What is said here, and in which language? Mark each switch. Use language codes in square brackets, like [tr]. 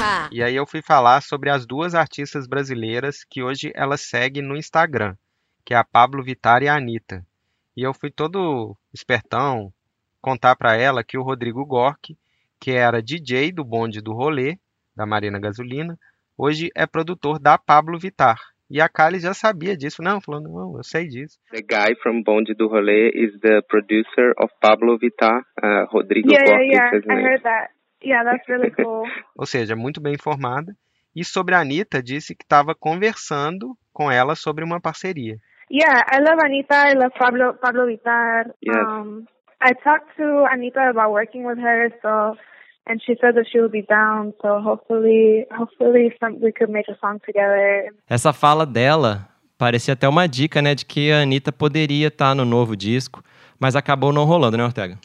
[pt] E aí eu fui falar sobre as duas artistas brasileiras que hoje ela segue no Instagram, que é a Pablo Vittar e a Anitta. E eu fui todo espertão contar pra ela que o Rodrigo Gork, que era DJ do Bonde do Rolê, da Marina Gasolina, hoje é produtor da Pablo Vittar. E a Kali já sabia disso, não? Falou, não, eu sei disso. [en] The guy from Bonde do Rolê is the producer of Pablo Vittar, Rodrigo Gork. Yeah, I heard that. Yeah, that's really cool. [pt] Ou seja, muito bem informada. E sobre a Anitta, disse que estava conversando com ela sobre uma parceria. [en] Yeah, I love Anitta, I love Pablo Vittar. Yes. I talked to Anitta about working with her, so... And she said that she would be down, so hopefully we could make a song together. [pt] Essa fala dela parecia até uma dica, né, de que a Anitta poderia estar no novo disco, mas acabou não rolando, né, Ortega?